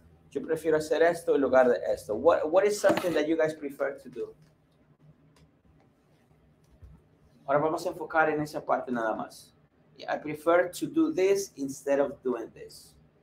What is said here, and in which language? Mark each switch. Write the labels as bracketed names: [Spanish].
[Spanish] Yo prefiero hacer esto en lugar de esto. [English] What is something that you guys prefer to do? [Spanish] Ahora vamos a enfocar en esa parte nada más. [English] I prefer to do this instead of doing this.